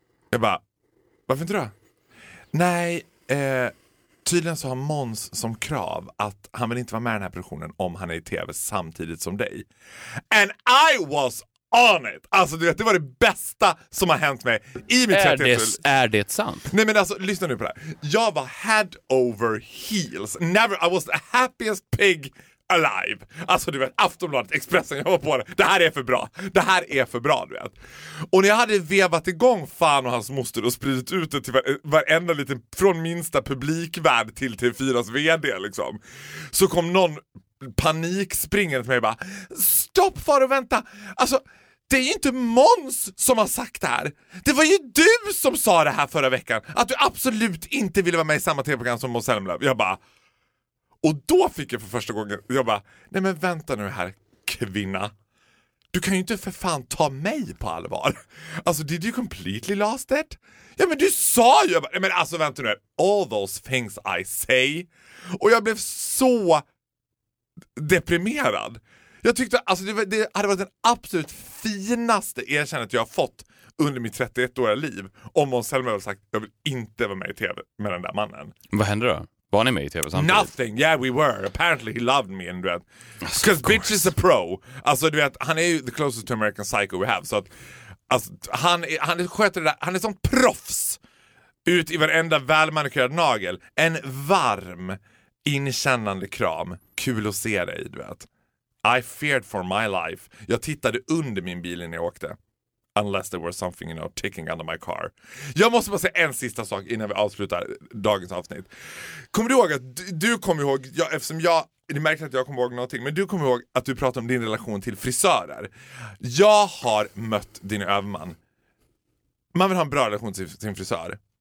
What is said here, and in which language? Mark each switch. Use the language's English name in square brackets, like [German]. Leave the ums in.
[Swedish] Jag bara, varför inte då? Nej, eh, tydligen så har Måns som krav att han vill inte vara med i den här produktionen om han är i tv samtidigt som dig. [English] And I was on it! [Swedish] Alltså du vet, det var det bästa som har hänt mig i mitt Är 30 det, är det sant? Nej men alltså lyssna nu på det här. Jag var [English] head over heels. Never, I was the happiest pig alive. [Swedish] Alltså du vet Aftonbladet, Expressen, jag var på det. Det här är för bra. Det här är för bra du vet. Och när jag hade vevat igång fan och hans moster och spridit ut det till var- varenda liten, från minsta publikvärd till TV4s VD liksom. Så kom någon panikspringande till mig och bara Stopp far och vänta! Alltså det är ju inte Måns som har sagt det här. Det var ju du som sa det här förra veckan, att du absolut inte ville vara med i samma tv-program som Måns Zelmerlöw. Jag bara... Och då fick jag för första gången, jag bara, nej men vänta nu här kvinna. Du kan ju inte för fan ta mig på allvar. Alltså [English] did you completely lost it? [Swedish] Ja men du sa ju, jag bara, nej men alltså vänta nu här. [English] all those things I say. [Swedish] Och jag blev så deprimerad. Jag tyckte alltså det, var- det hade varit den absolut finaste erkännandet jag har fått under mitt 31-åriga liv om Måns Zelmerlöw hade sagt jag vill inte vara med i TV med den där mannen. Vad hände då? Var ni med i tv samtidigt? [English] Nothing, yeah we were. Apparently he loved me and [Swedish] du vet. [English] Because of bitch is a pro. [Swedish] Alltså du vet, han är ju [English] the closest to American psycho we have. [Swedish] Så att, alltså, han, är, han sköter det där, han är som proffs. Ut i varenda välmanikyrerad nagel. En varm, inkännande kram. Kul att se dig, du vet. [English] I feared for my life. [Swedish] Jag tittade under min bil innan jag åkte. [English] Unless there was something you know ticking under my car. [Swedish] Jag måste bara säga en sista sak innan vi avslutar dagens avsnitt. Kommer du ihåg att du, du kommer ihåg, jag, eftersom jag, det märks att jag kommer ihåg någonting, men du kommer ihåg att du pratade om din relation till frisörer. Jag har mött din överman. Man vill ha en bra relation till sin frisör.